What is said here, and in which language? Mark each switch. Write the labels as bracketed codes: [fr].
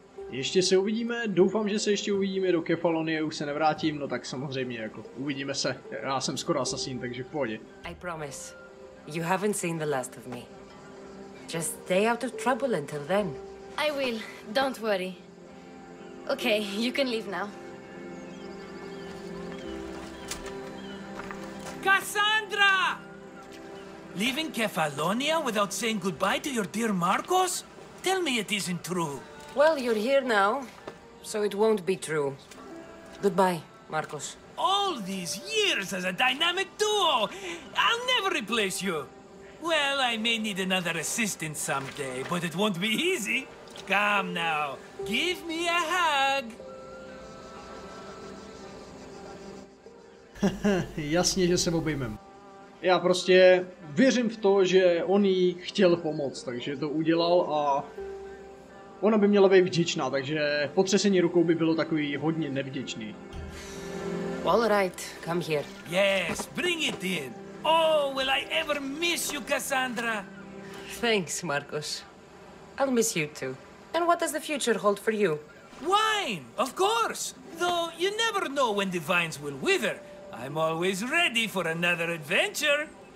[cs] Ještě se uvidíme, doufám, že se ještě uvidíme do Kefalonie, už se nevrátím, no tak samozřejmě, jako, uvidíme se, já jsem skoro asasín, takže v pohodě. [en] I promise, you haven't seen the last of me. Just stay out of trouble until then. I will, don't worry. Okay, you can leave now. Cassandra! Leaving Kefalonia without saying goodbye to your dear Marcos? Tell me it isn't true. Well, you're here now, so it won't be true. Goodbye, Marcos. All these years as a dynamic duo! I'll never replace you! Well, I may need another assistant someday, but it won't be easy. Come now, give me a hug! [cs] Jasně, že se obejmem. Já prostě věřím v to, že on jí chtěl pomoct, takže to udělal a... Ona by měla být vděčná, takže potřesení rukou by bylo takový hodně nevděčný. [en] All right, come here. Yes, bring it in. Oh, will I ever miss you, Cassandra? Thanks, Marcos. I'll miss you too. And what does the future hold for you? Wine, of course. Though you never know when the vines will wither. I'm always ready for another adventure.